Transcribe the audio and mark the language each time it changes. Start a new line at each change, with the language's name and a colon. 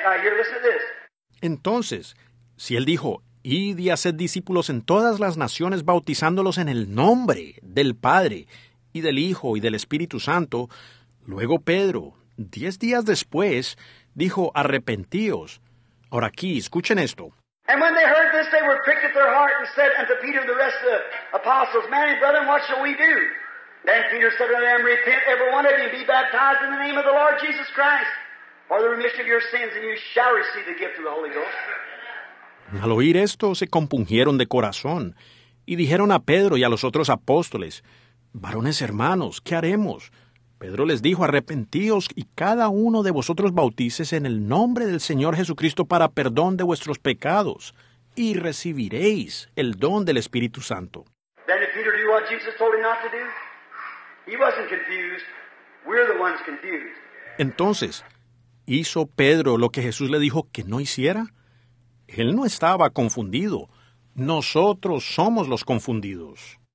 English: Now here, listen to this.
Spanish: Entonces, si él dijo, id y haced discípulos en todas las naciones, bautizándolos en el nombre del Padre, y del Hijo, y del Espíritu Santo, luego Pedro, 10 días después, dijo, arrepentíos. Ahora aquí, escuchen esto.
English: And when they heard this, they were pricked at their heart and said unto Peter and the rest of the apostles, man and brethren, what shall we do? Then Peter said unto them, repent, every one of you, and be baptized in the name of the Lord Jesus Christ for the remission of your sins, and you shall receive the gift of the Holy Ghost.
Spanish: Al oír esto, se compungieron de corazón y dijeron a Pedro y a los otros apóstoles, varones hermanos, ¿qué haremos? Pedro les dijo, arrepentíos y cada uno de vosotros bautices en el nombre del Señor Jesucristo para perdón de vuestros pecados, y recibiréis el don del Espíritu Santo.
English: Then did Peter do what Jesus told him not to do? He wasn't confused. We're the ones confused.
Spanish: Entonces, ¿hizo Pedro lo que Jesús le dijo que no hiciera? Él no estaba confundido. Nosotros somos los confundidos.